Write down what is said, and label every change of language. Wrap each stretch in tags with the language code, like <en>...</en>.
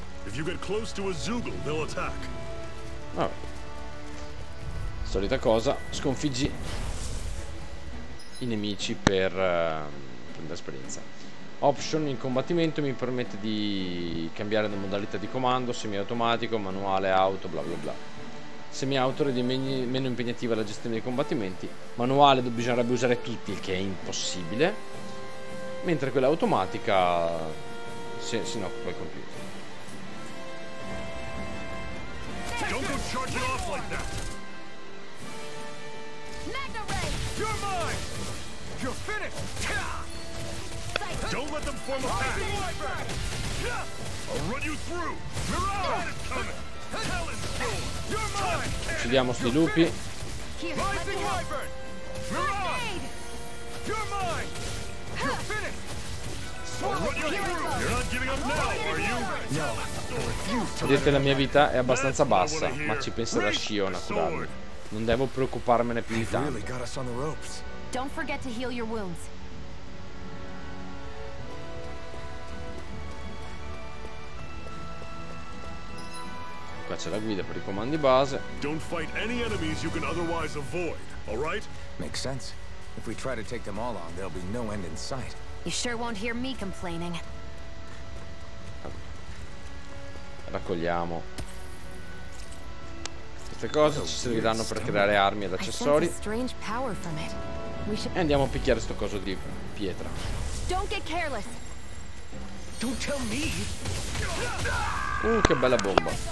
<en>If you get close to a Zugul, they'll attack.</en> <it>Vabbè. Solita cosa, sconfiggi i nemici per prendere esperienza. Option in combattimento mi permette di cambiare la modalità di comando, semiautomatico, manuale, auto, bla bla bla. Semiauto rende meno impegnativa la gestione dei combattimenti. Manuale bisognerebbe usare tutti, il che è impossibile. Mentre quella automatica se ne occupa il computer.</it> <en>Don't go charging off like that! Magna Ray! You're mine! You're finished! Don't let them form a pack! I'll run you through! Mirage! Talon's yours! You're mine!</en> <it>Uccidiamo sti lupi!</it> <en>Rising Wyvern! Mirage! You're mine! You're finished! You're not giving up now, are you? No!</en> <it>Vedete, la mia vita è abbastanza bassa, ma ci penso da Shion a curarmi. Non devo preoccuparmene più di tanto.</it> <en>Don't forget to heal your wounds.</en> <it>Qua c'è la guida per i comandi base.</it> <en>Don't fight any enemies you can otherwise avoid, alright? Makes sense. If we try to take them all on, there'll be no end in sight. You sure won't hear me complaining.</en> <it>Raccogliamo queste cose, ci serviranno per creare armi ed accessori e andiamo a picchiare sto coso di pietra. Che bella bomba.</it>